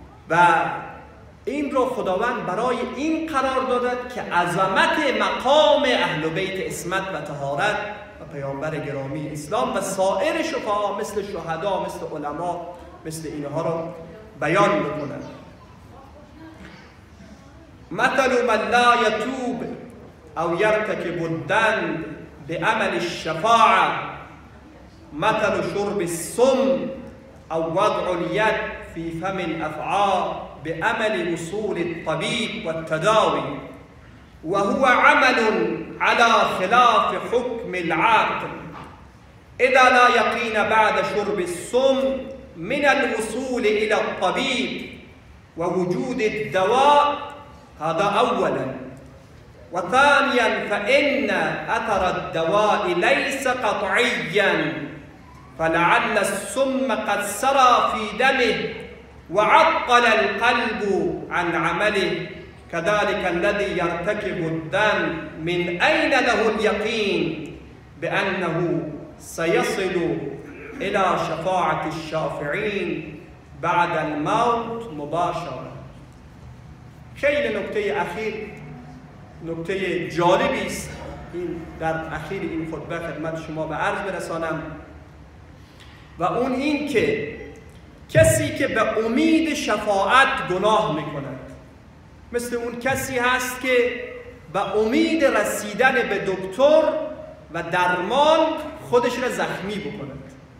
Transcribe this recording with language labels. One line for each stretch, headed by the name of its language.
Persian: و این رو خداوند برای این قرار داده که عظمت مقام اهل بیت عصمت و طهارت و پیامبر گرامی اسلام و سایر شفعا مثل شهدا، مثل علما، مثل اینها را بیان بکنند.
Arabic: مثل من لا یتوب او یرتکب الذنب بعمل الشفاعه، مثل شرب السم او وضع الید فی فم الافعا بعمل وصول الطبیب والتداوی، وهو عمل على خلاف حکم العقل. اذا لا یقین بعد شرب السم من الوصول إلى الطبيب ووجود الدواء، هذا أولا. وثانيا فإن أثر الدواء ليس قطعيا، فلعل السم قد سرى في دمه وعطل القلب عن عمله. كذلك الذي يرتكب الذنب من أين له اليقين بأنه سيصل الى شفاعت الشافعین بعد الموت مباشره.
Persian: خیلی نکته اخیر، نکته جالبی است این در اخیر این خطبه خدمت شما به عرض برسانم، و اون این که کسی که به امید شفاعت گناه میکند مثل اون کسی هست که به امید رسیدن به دکتر و درمان خودش را زخمی بکند.